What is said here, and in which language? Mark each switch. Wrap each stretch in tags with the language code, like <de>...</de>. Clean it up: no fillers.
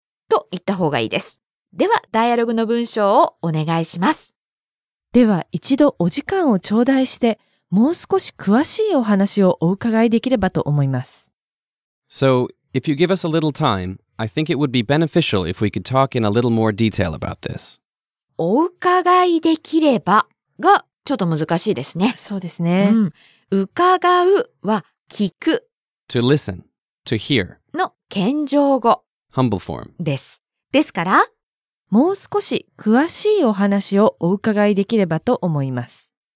<ja>と言った方がいいです。では、ダイアログの文章をお願いします。では、一度お時間を頂戴して、もう少し詳しいお話をお伺いできればと思います。</ja> <en>So,If you give us a little time, I think it would be beneficial if we could talk in a little more detail about this.</en> <ja>お伺いできればがちょっと難しいですね。そうですね。うん、伺うは聞く。</ja> <en>To listen, to hear.</en> <ja>の謙譲語。</ja> <en>Humble form.</en> <ja>です。ですから、もう少し詳しいお話をお伺いできればと思います。</ja>